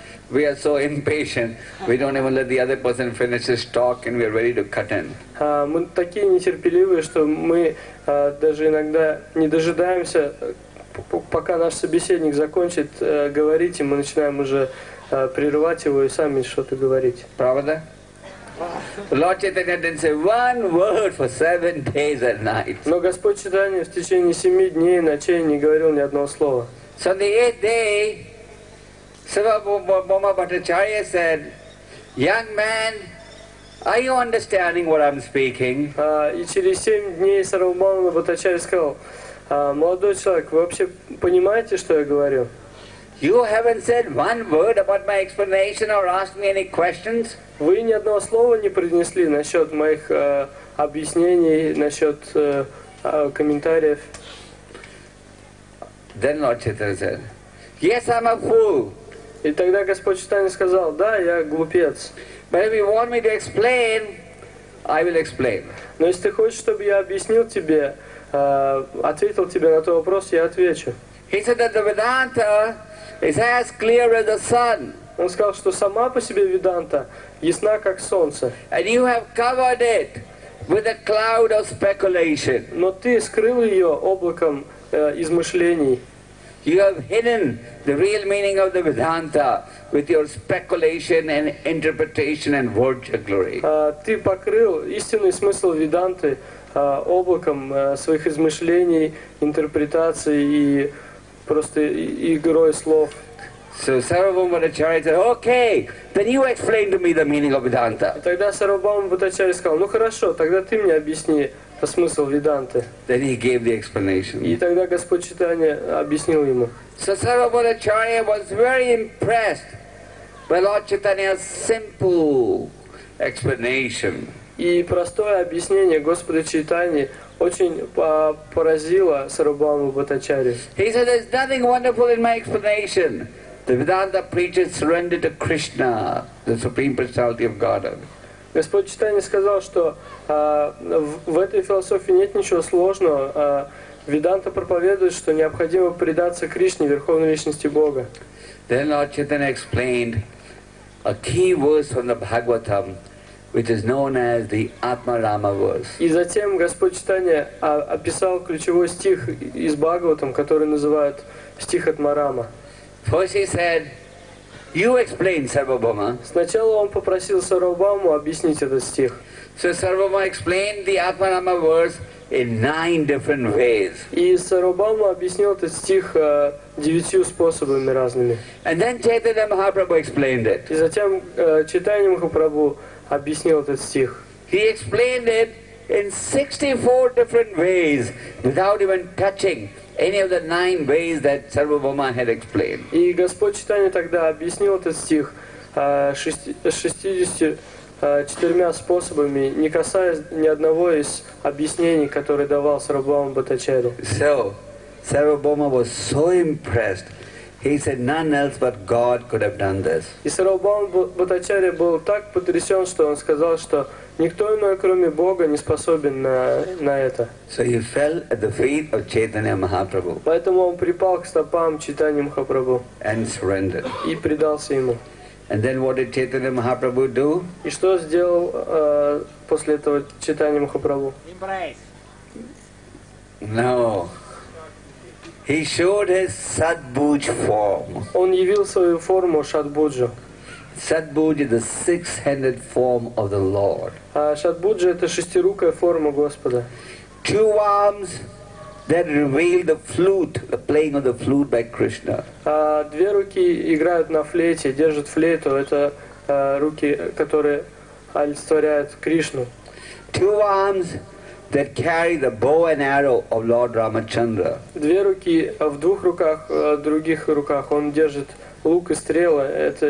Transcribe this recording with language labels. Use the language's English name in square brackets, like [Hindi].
[English] We are so impatient. We don't even let the other person finish his talk, and we are ready to cut in. [Russian] Мы такие нетерпеливые, что мы даже иногда не дожидаемся, пока наш собеседник закончит говорить, и мы начинаем уже прерывать его и сами что-то говорить. Правда? [English] Lord Chaitanya didn't say one word for 7 days and nights. [Russian] Но Господь Чайтанья в течение 7 дней и ночей не говорил ни одного слова. [English] So on the 8th day, Сарвабхаума Бхаттачарья said, "Young man, are you understanding what I'm speaking?" [Russian] И через 7 дней Сарвабхаума Бхаттачарья сказал: "Молодой человек, вы вообще понимаете, что я говорю?" [English] You haven't said one word about my explanation or asked me any questions. [Russian] Вы ни одного слова не произнесли насчет моих объяснений, насчет комментариев. [English] Then Lord Chaitanya said, "Yes, I'm a fool." [Russian] И тогда Господь Чайтанья сказал: "Да, я глупец." [English] But if you want me to explain, I will explain. [Russian] Но если ты хочешь, чтобы я объяснил тебе, ответил тебе на твой вопрос, я отвечу. [English] He said that the Vedanta is as clear as the sun. [Russian] Он сказал, что сама по себе Веданта ясна как солнце. [English] And you have covered it with a cloud of speculation. [Russian] Но ты скрыл ее облаком измышлений. [English] You have hidden the real meaning of the Vedanta with your speculation and interpretation and word jugglery. [Russian] Ты покрыл истинный смысл Веданты облаком своих измышлений, интерпретаций и просто игрой слов. [English] So Sarvabhauma Bhattacharya said, "Okay, then you explain to me the meaning of Vedanta." [Russian] Тогда Сарвабхаума Бхаттачарья сказал: "Ну хорошо, тогда ты мне объясни смысл Веданты." [English] Then he gave the explanation. [Russian] И тогда Господь Чайтанья объяснил ему. [English] So Sarvabhauma Bhattacharya was very impressed by Lord Chaitanya's simple explanation. [Russian] И простое объяснение Господа Чайтаньи очень поразило Сарвабхауму Бхаттачарью. [English] He said, "There's nothing wonderful in my explanation. The Vedanta preaches surrender to Krishna, the supreme personality of Godhead." [Russian] Господь Чайтанья сказал, что в этой философии нет ничего сложного. Веданта проповедует, что необходимо предаться Кришне, верховной личности Бога. [English] Then Lord Chaitanya explained a key verse from the Bhagavatam, which is known as the Atma Rama verse. [Russian] И затем Господь Чайтанья описал ключевой стих из Бхагаватам, который называют стих Атма Рама. [English] First he said, "You explain, Sarvabhauma." [Russian] Сначала он попросил Сарвабхауму объяснить этот стих. [English] So Sarvabhauma explained the Atma Rama verse in 9 different ways. [Russian] И Сарвабхауму объяснил этот стих 9 способами разными. [English] And then Chaitanya Mahaprabhu explained it. [Russian] И затем Чайтанья Махапрабху объяснил этот стих. [English] He explained it in 64 different ways without even touching any of the 9 ways that Sarvabhauma had explained. [Russian] И Господь Чайтанья тогда объяснил этот стих 64 способами, не касаясь ни одного из объяснений, которые давал Сарвабхаума Бхаттачарья. [English] So, Сарвабхаума was so impressed, He said none else but God could have done this. [Russian] И Сарабхан Бхаттачарья был так потрясен, что он сказал, что никто иной, кроме Бога, не способен на это. [English] So he fell at the feet of Chaitanya Mahaprabhu. [Russian] Поэтому он припал к стопам Чайтаньи Махапрабху. [English] And surrendered. [Russian] И предался ему. [English] And then what did Chaitanya Mahaprabhu do? [Russian] И что сделал после этого Чайтанья Махапрабху? [English] Embrace. No. He showed his Satbhuj form. [Russian] Он явил свою форму Шатбуджу. [English] Satbhuj is the six-handed form of the Lord. [Russian] Шатбуджа это шестирукая форма Господа. [English] Two arms that reveal the flute, the playing of the flute by Krishna. [Russian] Две руки играют на флейте, держат флейту. Это руки, которые олицетворяют Кришну. [English] Two arms that carry the bow and arrow of Lord Ramachandra. [Russian] Две руки в двух руках, в других руках он держит лук и стрелы.